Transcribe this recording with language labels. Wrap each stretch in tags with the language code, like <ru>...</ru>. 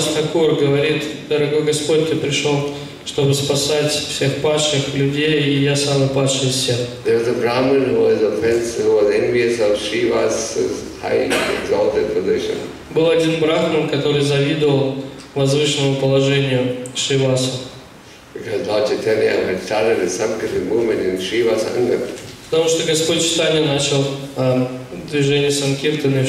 <ru>Стакур говорит: «Дорогой Господь, ты пришел, чтобы спасать всех падших людей, и я самый падший из всех».</ru> <en>There was a Brahmin who was offensive, who was envious of Shiva's high exalted position.</en> <ru>Был один брахман, который завидовал возвышенному положению Шивасу. Потому что Господь Читания начал движение Санкиртаны в</ru>